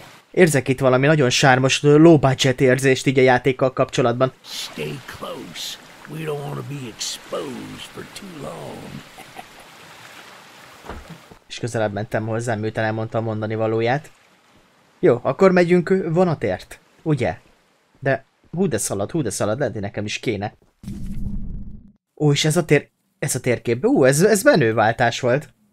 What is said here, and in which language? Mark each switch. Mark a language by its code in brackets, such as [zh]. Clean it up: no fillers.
[hu] Érzek itt valami nagyon sármos low budget érzést így a játékkal kapcsolatban. [en] Stay close. We don't want to be exposed for too long. [hu] És közelebb mentem hozzám, miután elmondta a mondani valóját. Jó, akkor megyünk vonatért, ugye? De hú de szalad, lehet, hogy nekem is kéne. Ó, és ez a térkép, ez menő váltás volt.